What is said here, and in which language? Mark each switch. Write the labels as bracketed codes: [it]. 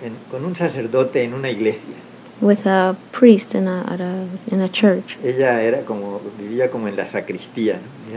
[es] Con un sacerdote en una iglesia. [en] With a priest in a church. [es] Ella era como vivía como en la sacristía, ¿no?